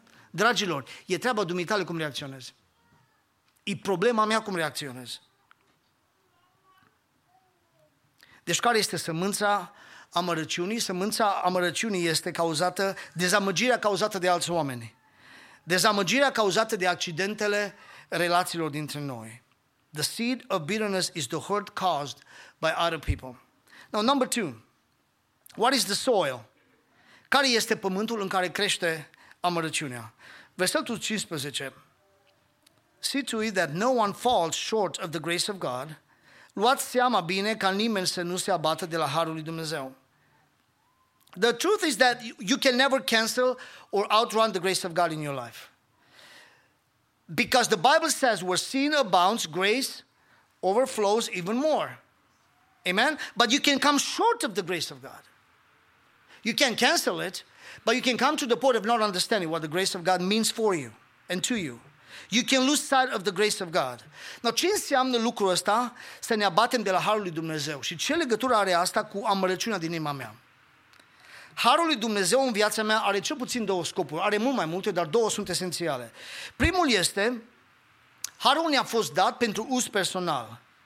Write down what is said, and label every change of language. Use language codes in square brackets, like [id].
[ro] Dragilor, e treaba dumitale cum reacționez. E problema mea cum reacționez. Deci care este sămânța amărăciunii? Sămânța amărăciunii este cauzată, dezamăgirea cauzată de alți oameni. Dezamăgirea cauzată de accidentele relațiilor dintre noi. [en] The seed of bitterness is the hurt caused by other people. Now, number two. What is the soil? [ro] Care este pământul în care crește amărăciunea? Versetul 15. [en] See to it that no one falls short of the grace of God. [ro] Luați seama bine ca nimeni să nu se abată de la harul lui Dumnezeu. [en] The truth is that you can never cancel or outrun the grace of God in your life. Because the Bible says where sin abounds, grace overflows even more. Amen? But you can come short of the grace of God. You can cancel it, but you can come to the point of not understanding what the grace of God means for you and to you. You can lose sight of the grace of God. [ro] Now, ce înseamnă lucrul ăsta să ne abatem de la Harul lui Dumnezeu? Și ce legătură are asta cu amărăciunea din inima mea? Harul lui Dumnezeu în viața mea are cel puțin două scopuri. Are mult mai multe, dar două sunt esențiale. Primul este, Harul ne-a fost dat pentru uz personal.